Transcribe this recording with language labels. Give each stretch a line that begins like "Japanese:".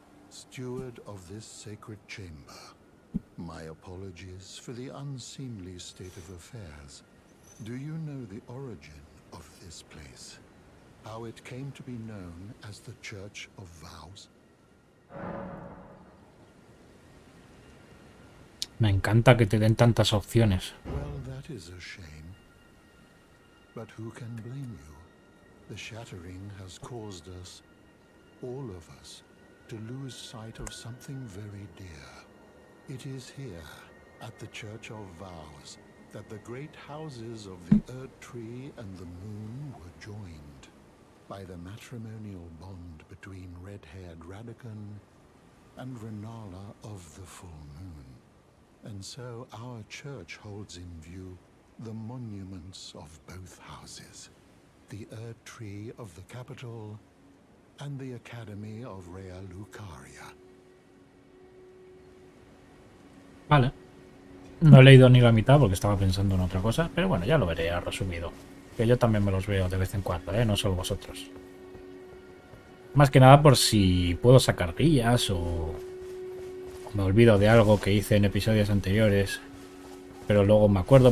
English: Steward of this sacred chamber. My apologies for the unseemly state of affairs. Do you know the origin of this place? How it came to be known as the Church of Vows?
Spanish: Me encanta que te den tantas opciones.
English: Well, that is a shame. But who can blame you? The shattering has caused us, all of us, to lose sight of something very dear. It is here, at the Church of Vows, that the great houses of the Earth Tree and the Moon were joined by the matrimonial bond between red-haired Radican and Renala of the Full Moon. And so our church holds in view the monuments of both houses, the Earth Tree of the capital and the Academy of Rea Lucaria.
Spanish: Vale. No he leído ni la mitad porque estaba pensando en otra cosa, pero bueno, ya lo veré resumido. Que yo también me los veo de vez en cuando, ¿eh? No solo vosotros. Más que nada por si puedo sacar guías o me olvido de algo que hice en episodios anteriores, pero luego me acuerdo.